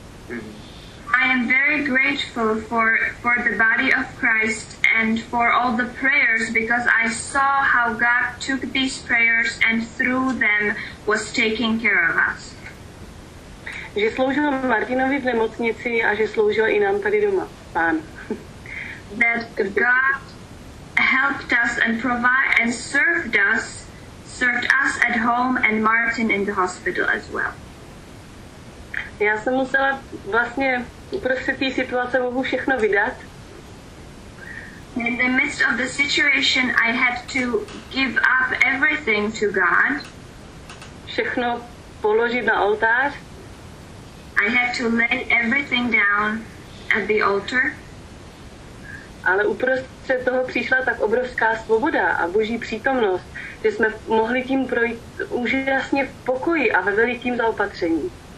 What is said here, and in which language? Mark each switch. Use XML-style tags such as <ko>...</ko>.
<en>I am very grateful for the body of Christ and for all the prayers, because I saw how God took these prayers and through them was taking care of us.</en> <cs>Že sloužil Martinovi v nemocnici a že sloužil i nám tady doma, Pán.</cs> <en>That God helped us and provide and served us at home and Martin in the hospital as well.</en> <cs>Já jsem musela vlastně uprostřed té situace Bohu všechno vydat.</cs> <en>In the midst of the situation, I had to give up everything to God.</en> <cs>Všechno položit na oltář.</cs> <en>I had to lay everything down at the altar.</en> <cs>Ale uprostřed toho přišla tak obrovská svoboda a Boží přítomnost, že jsme mohli tím projít úžasně v pokoji a ve velikým zaopatření.</cs>